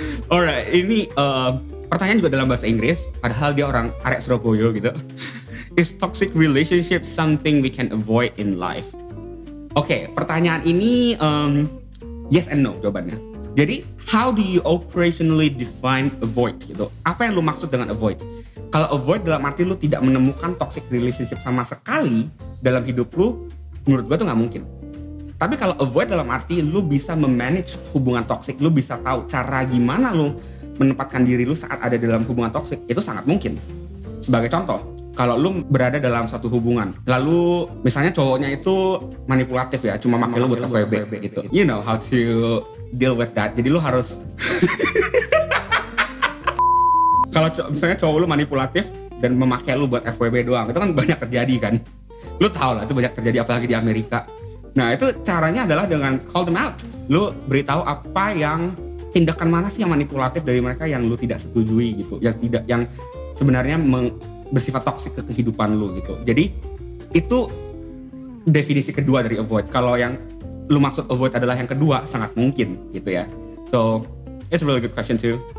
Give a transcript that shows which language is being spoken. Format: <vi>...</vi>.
<id>Alright, ini pertanyaan juga dalam bahasa Inggris, padahal dia orang arek Surabaya gitu.</id> <en>Is toxic relationship something we can avoid in life?</en> <id>Okay, pertanyaan ini</id> <en>yes and no</en> <id>jawabannya. Jadi,</id> <en>how do you operationally define avoid</en> <id>gitu? Apa yang lu maksud dengan avoid? Kalau avoid dalam arti lu tidak menemukan toxic relationship sama sekali dalam hidup lu, menurut gua tuh gak mungkin. Tapi kalau avoid dalam arti lu bisa memanage hubungan toxic, lu bisa tahu cara gimana lu menempatkan diri lu saat ada dalam hubungan toxic, itu sangat mungkin. Sebagai contoh, kalau lu berada dalam satu hubungan, lalu misalnya cowoknya itu manipulatif ya, cuma makin lu buat FWB gitu.</id> <en>You know how to deal with that.</en> <id>Jadi lu harus kalau misalnya cowok lu manipulatif dan memakai lu buat FWB doang, itu kan banyak terjadi kan. Lu tahu lah itu banyak terjadi apalagi di Amerika. Nah, itu caranya adalah dengan</id> <en>call them out.</en> <id>Lu beritahu apa yang tindakan mana sih yang manipulatif dari mereka yang lu tidak setujui gitu, yang sebenarnya bersifat toksik ke kehidupan lu gitu. Jadi itu definisi kedua dari avoid. Kalau yang lu maksud avoid adalah yang kedua, sangat mungkin gitu ya.</id> <en>So, it's a really good question too.</en>